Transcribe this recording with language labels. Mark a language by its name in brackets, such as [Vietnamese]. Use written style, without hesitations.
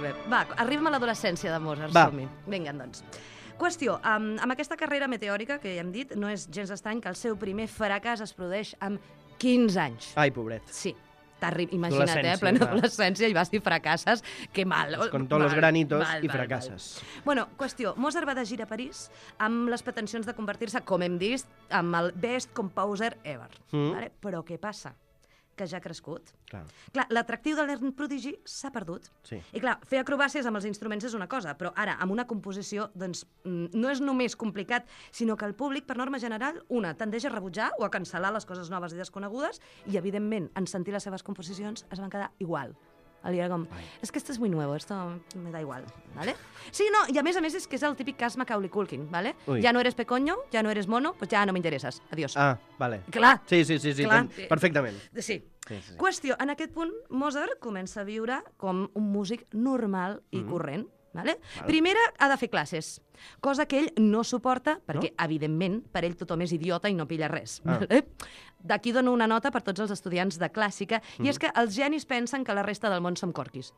[Catalan] Va, arribem a l'adolescència de Mozart. Va. Vinga, doncs. Qüestió, amb aquesta carrera meteòrica que ja hem dit, no és gens estrany que el seu primer fracàs es produeix amb 15 anys. Ai, pobret. Sí. Imagina't, a plena adolescència, i vas dir fracasses, que mal. [Spanish] Es con todos los granitos y fracasses. [Catalan] Bueno, qüestió, Mozart va de gira a París amb les pretensions de convertir-se, com hem vist, amb el [English] best composer ever. [Catalan] Mm. Vale? Però què passa? Que ja ha crescut. Clar, l'atractiu de l'Ern Prodigy s'ha perdut. Sí. I clar, fer acrobàcies amb els instruments és una cosa, però ara, amb una composició, doncs, no és només complicat, sinó que el públic, per norma general, una, tendeix a rebutjar o a cancel·lar les coses noves i desconegudes, i evidentment, en sentir les seves composicions, es van quedar igual. Li era com, és que [Spanish] esto es muy nuevo, esto me da igual, ¿vale? [Catalan] Sí, no, i a més és que és el típic cas Macaulay Culkin, ¿vale? Ui. [Spanish] Ya no eres pequeño, ya no eres mono, pues ya no me interesas, adiós. [Catalan] Ah, vale. Clar. Sí, clar. Perfectament. Sí. Qüestió, en aquest punt, Mozart comença a viure com un músic normal i corrent. Vale? Primera, ha de fer classes, cosa que ell no suporta, perquè, no? evidentment, per ell tothom és idiota i no pilla res. Ah. Vale? D'aquí dono una nota per tots els estudiants de clàssica, i és que els genis pensen que la resta del món som corquis.